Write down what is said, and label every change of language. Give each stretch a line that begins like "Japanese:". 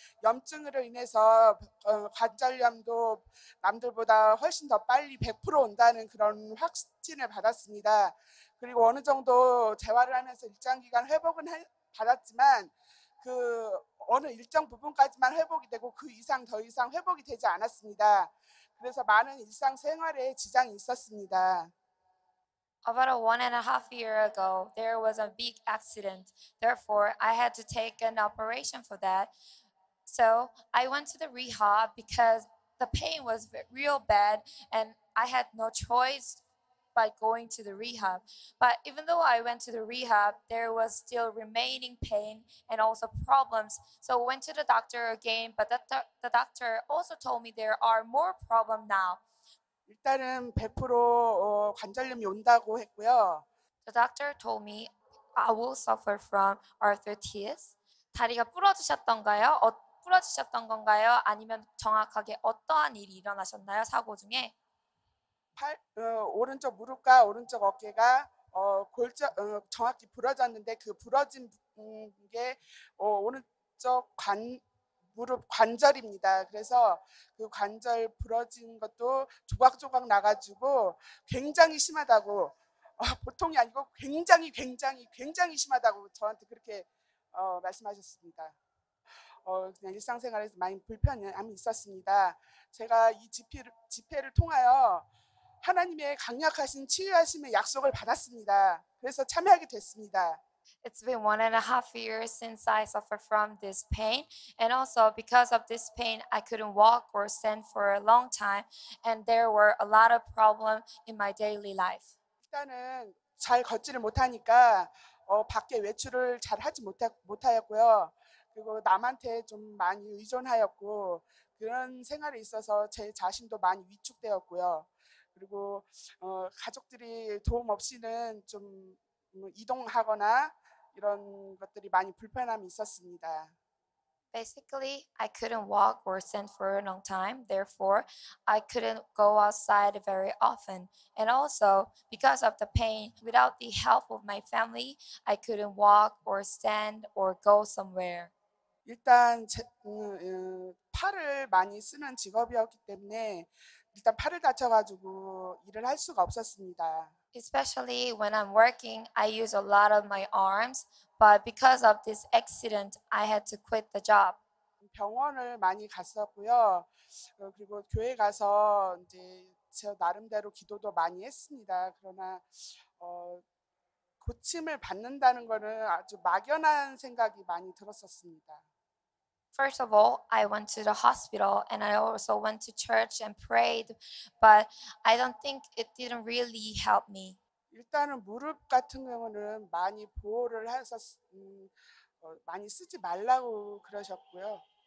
Korean: 염증으로 인해서 관절염도 남들보다 훨씬 더 빨리 100% 온다는 그런 확신을 받았습니다. 그리고 어느 정도 재활을 하면서 일정 기간 회복은 받았지만 그 어느 일정 부분까지만 회복이 되고 그 이상 더 이상 회복이 되지 않았습니다. 그래서 많은 일상 생활에 지장이 있었습니다.
English: About a 1.5 year ago, there was a big accident. Therefore, I had to take an operation for that. So I went to the rehab because the pain was real bad and I had no choice but going to the rehab. But even though I went to the rehab, there was still remaining pain and also problems. So I went to the doctor again, but the doctor also told me there are more problems now.
Korean: 일단은 100% 관절염이 온다고 했고요.
English: The doctor told me I will suffer from arthritis.
Korean: 다리가 부러지셨던가요? 부러지셨던 건가요? 아니면 정확하게 어떠한 일이 일어나셨나요? 사고 중에? 오른쪽 무릎과 오른쪽 어깨가 정확히 부러졌는데 그 부러진 게 오른쪽 무릎 관절입니다. 그래서 그 관절 부러진 것도 조각조각 나가지고 굉장히 심하다고 보통이 아니고 굉장히 굉장히 굉장히 심하다고 저한테 그렇게 말씀하셨습니다. 그냥 일상생활에서 많이 불편함이 있었습니다. 제가 이 집회를 통하여 하나님의 강력하신 치유하심의 약속을 받았습니다. 그래서 참여하게 됐습니다.
English: It's been 1.5 years since I suffered from this pain. And also because of this pain, I couldn't walk or stand for a long time. And there were a lot of problems in my daily life.
Korean: 일단은 잘 걷지를 못하니까 밖에 외출을 잘 하지 못하였고요. 그리고 남한테 좀 많이 의존하였고 그런 생활에 있어서 제 자신도 많이 위축되었고요. 그리고 가족들이 도움 없이는 좀 이동하거나 이런 것들이 많이 불편함이 있었습니다.
English: Basically, I couldn't walk or stand for a long time. Therefore, I couldn't go outside very often. And also, because of the pain, without the help of my family, I couldn't walk or stand or go somewhere.
Korean: 일단 팔을 많이 쓰는 직업이었기 때문에 일단 팔을 다쳐가지고 일을 할 수가 없었습니다.
English: Especially when I'm working, I use a lot of my arms, but because of this accident, I had to quit the job.
Korean: 병원을 많이 갔었고요. 그리고 교회 가서 이제 저 나름대로 기도도 많이 했습니다. 그러나 고침을 받는다는 것은 아주 막연한 생각이 많이 들었었습니다.
English: First of all, I went to the hospital and I also went to church and prayed, but I don't think it didn't really help me.
Korean: 일단은 무릎 같은 경우는 많이 보호를 해서 많이 쓰지 말라고 그러셨고요.